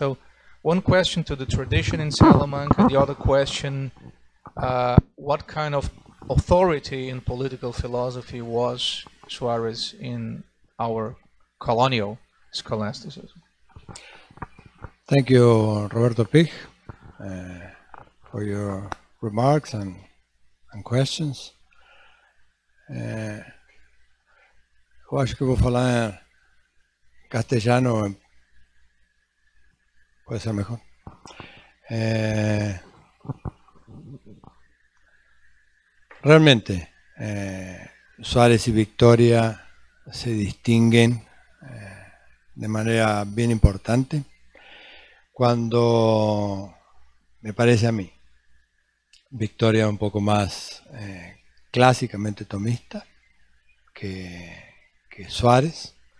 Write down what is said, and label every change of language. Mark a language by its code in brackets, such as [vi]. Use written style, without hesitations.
[en] So one question to the tradition in Salamanca, the other question, what kind of authority in political philosophy was Suárez in our colonial scholasticism? Thank you, Roberto Pig, for your remarks and questions. [pt] Eu acho que vou falar em castellano, pode ser melhor. [es] Realmente, Suárez y Victoria se distinguen de manera bien importante cuando, me parece a mí, Victoria un poco más clásicamente tomista que Suárez.